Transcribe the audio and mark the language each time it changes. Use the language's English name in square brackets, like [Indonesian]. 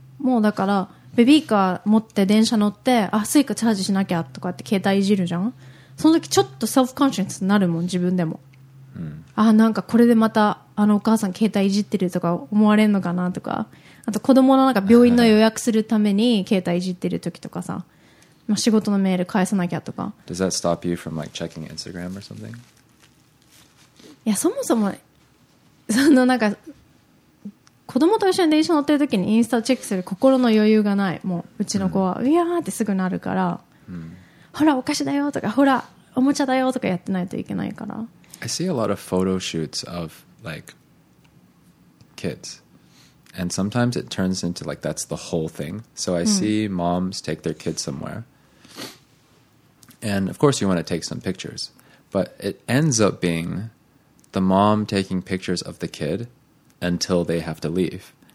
[Japanese] もうだからベビーカー持って電車乗って、あ、スイカチャージしなきゃとかって携帯いじるじゃん。その時ちょっとセルフコンシャスになるもん、自分でも、 mm-hmm. あ、なんかこれでまたあのお母さん携帯いじってるとか思われるのかなとか、あと子供のなんか病院の予約するために携帯いじってる時とかさ、まあ、仕事のメール返さなきゃとか。 [English] Does that stop you from like checking Instagram or something? [Japanese] いや、そもそもそのなんか子供と一緒に電車乗ってる時にインスタチェックする心の余裕がない。もううちの子は、うん、いやーってすぐなるから、うん、ほらお菓子だよとか、ほらおもちゃだよとかやってないといけないから。 [English] I see a lot of photo shoots ofLike kids, and sometimes it turns into like that's the whole thing. So I see moms take their kids somewhere, and of course you want to take some pictures, but it ends up being the mom taking pictures of the kid until they have to leave.